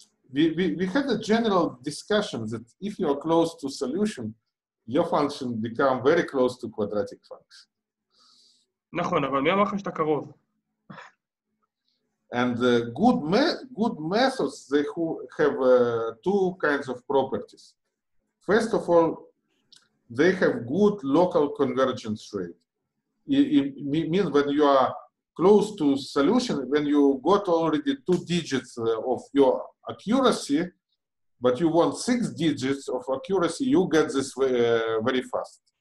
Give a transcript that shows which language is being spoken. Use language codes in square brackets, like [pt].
[en] We had a general discussion that if you are close to solution, your function become very close to quadratic function. [he] נכון, אבל מי אמר לך שאתה קרוב? [en] And the good methods, they who have two kinds of properties. First of all, they have good local convergence rate. It means when you are close to solution, when you got already two digits of your accuracy, but you want six digits of accuracy, you get this very fast.